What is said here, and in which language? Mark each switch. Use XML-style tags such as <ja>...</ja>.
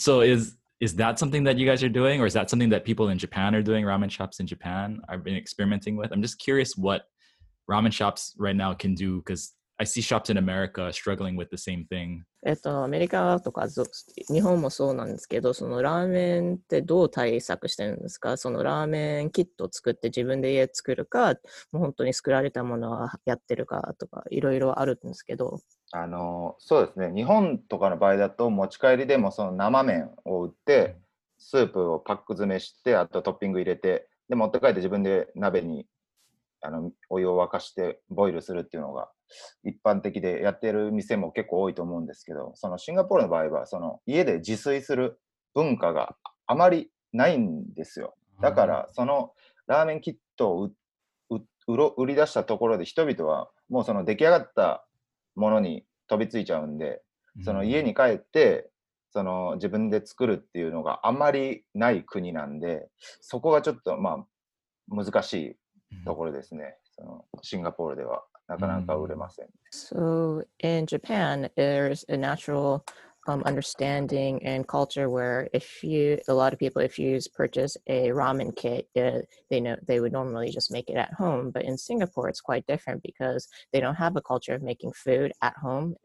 <en>So is that something that you guys are doing, or is that something that people in Japan are doing? Ramen shops in Japan I've been experimenting with. I'm just curious what ramen shops right now can do, because I see shops in America struggling with the same thing.</en> <ja>アメリカとか日本もそうなんですけど、そのラーメンってどう対策してるんですか？そのラーメンキットを作って自分で家作るか、もう本当に作られたものはやってるかとか、いろいろあるんですけど。そうですね。日本とかの場合だと、持ち帰りでもその生麺を売って、スープをパック詰めして、あとトッピング入れて、で持って帰って自分で鍋にあのお湯を沸かしてボイルするっていうのが一般的でやってる店も結構多いと思うんですけど、そのシンガポールの場合はその家で自炊する文化があまりないんですよ。だからそのラーメンキットを売り出したところで人々はもうその出来上がったものに飛びついちゃうんで、その家に帰ってその自分で作るっていうのがあまりない国なんで、そこがちょっとまあ難しいところですね。そのシンガポールではなかなか売れません。</ja> <en>So in Japan, there's a natural understanding and culture where if you purchase a ramen kit, they know they would normally just make it at home. But in Singapore, it's quite different because they don't have a culture of making food at home.</en>